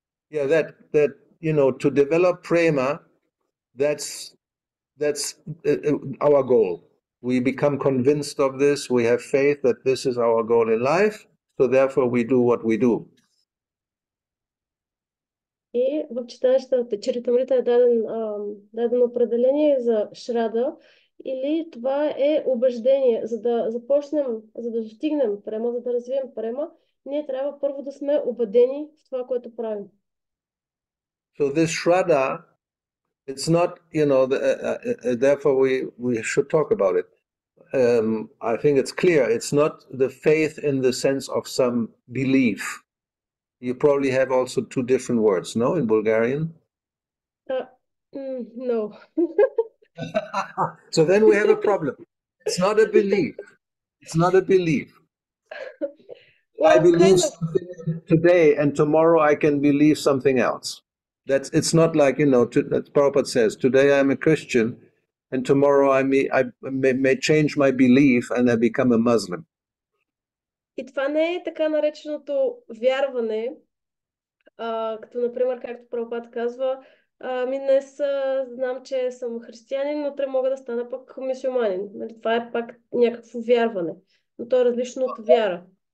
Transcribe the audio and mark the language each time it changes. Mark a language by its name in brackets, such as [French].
[English] That, you know, to develop prema, that's our goal. We become convinced of this, we have faith that this is our goal in life, so therefore we do what we do. [Bulgarian] И в читанщата Чаритамрита е дадено определение за Шрада, или това е убеждение. За да започнем, за да достигнем према, за да развием према, ние трябва първо да сме убедени в това, което правим. [English] So this Shraddha, it's not, you know, therefore we should talk about it. I think it's clear, it's not the faith in the sense of some belief. You probably have also two different words, no, in Bulgarian? No. So then we have a problem. It's not a belief. It's not a belief. Well, I believe something today and tomorrow I can believe something else. It's not like, you know, that Prabhupada says, today I'm a Christian and tomorrow I may change my belief and I become a Muslim. [Bulgarian] И това не е така нареченото вярване, като, например, както Прабхупада казва, Ами днес знам, че съм християнин, но утре мога да стана пък мюсюлманин. Нали, това е пак някакво вярване, но то е различно от вяра.